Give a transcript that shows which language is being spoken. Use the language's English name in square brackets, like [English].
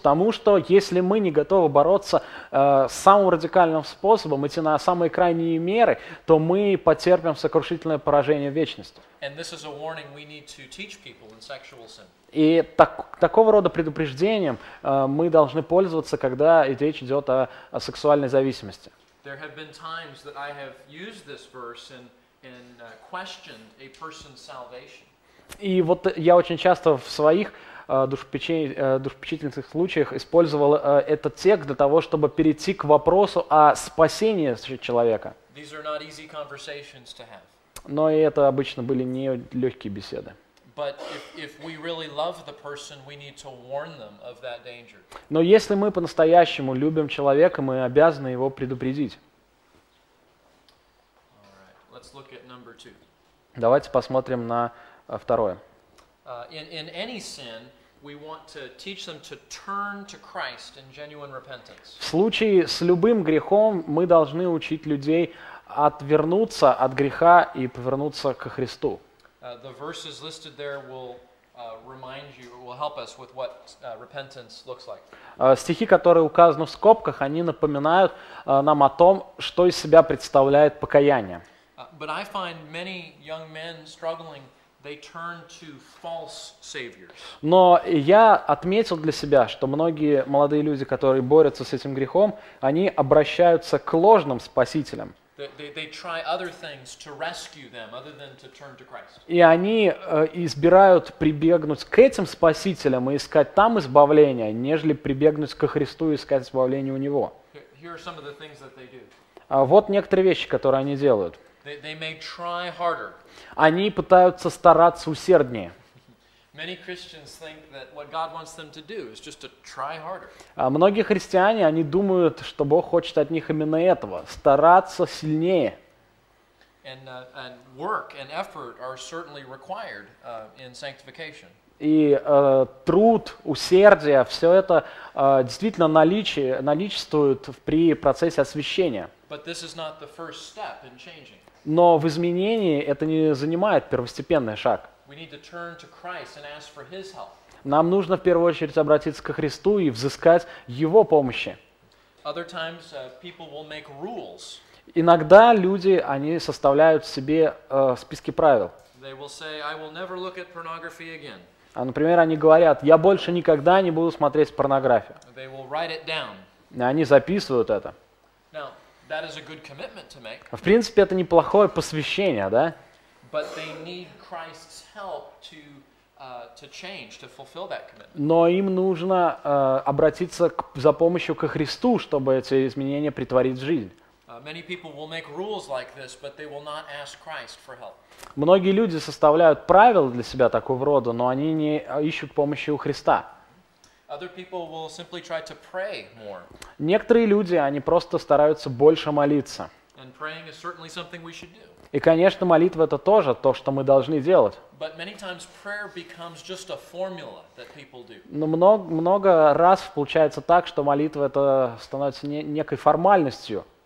[Russian] Тому, что если мы не готовы бороться самым радикальным способом, идти на самые крайние меры, то мы потерпим сокрушительное поражение в вечности. [English] And this is a warning we need to teach people in sexual sin. [Russian] И такого рода предупреждением мы должны пользоваться, когда речь идет о сексуальной зависимости. [English] There have been times that I have used this verse and questioned a person's salvation. [Russian] И вот я очень часто в своих душепечительных случаях использовал этот текст для того, чтобы перейти к вопросу о спасении человека. [English] These are not easy conversations to have. [Russian] Но и это обычно были не легкие беседы. [English] But if we really love the person, we need to warn them of that danger. [Russian] Но если мы по-настоящему любим человека, мы обязаны его предупредить. [English] All right. Let's look at number two. [Russian] Давайте посмотрим на второе. [English] In any sin, we want to teach them to turn to Christ in genuine repentance. [Russian] В случае с любым грехом мы должны учить людей отвернуться от греха и повернуться ко Христу. [English] The verses listed there will help us with what repentance looks like. [Russian] Стихи, которые указаны в скобках, они напоминают нам о том, что из себя представляет покаяние. [English] But I find many young men struggling, they turn to false saviors. [Russian] Но я отметил для себя, что многие молодые люди, которые борются с этим грехом, они обращаются к ложным спасителям. [English] They try other things to rescue them, other than to turn to Christ. [Russian] И они избирают прибегнуть к этим спасителям и искать там избавление, нежели прибегнуть ко Христу и искать избавление у Него. [English] Here are some of the things that they do. [Russian] Вот некоторые вещи, которые они делают. [English] They may try harder. [Russian] Они пытаются стараться усерднее. [English] Many Christians think that what God wants them to do is just to try harder. [Russian] Многие христиане, они думают, что Бог хочет от них именно этого, стараться сильнее. [English] And work and effort are certainly required in sanctification. [Russian] И труд, усердие, все это действительно наличествует при процессе освящения. [English] But this is not the first step in changing. [Russian] Но в изменении это не занимает первостепенный шаг. [English] We need to turn to Christ and ask for His help. [Russian] Нам нужно в первую очередь обратиться ко Христу и взыскать Его помощи. [English] Other times, people will make rules. [Russian] Иногда люди, они составляют себе списки правил. [English] They will say, I will never look at pornography again. [Russian] А, например, они говорят, я больше никогда не буду смотреть порнографию. [English] They will write it down. [Russian] И они записывают это. [English] Now, that is a good commitment to make. [Russian] В принципе, это неплохое посвящение, да? [English] But they need Christ's help to to change, to fulfill that commitment. [Russian] Но им нужно обратиться к, за помощью ко Христу, чтобы эти изменения претворить в жизнь. [English] Many people will make rules like this, but they will not ask Christ for help. [Russian] Многие люди составляют правила для себя такого рода, но они не ищут помощи у Христа. [English] Other people will simply try to pray more. [Russian] Некоторые люди, они просто стараются больше молиться. [English] And praying is certainly something we should do. [Russian] И, конечно, молитва это тоже то, что мы должны делать. [English] But many times prayer becomes just a formula that people do. [Russian] Но много раз получается так, что молитва это становится некой формальностью.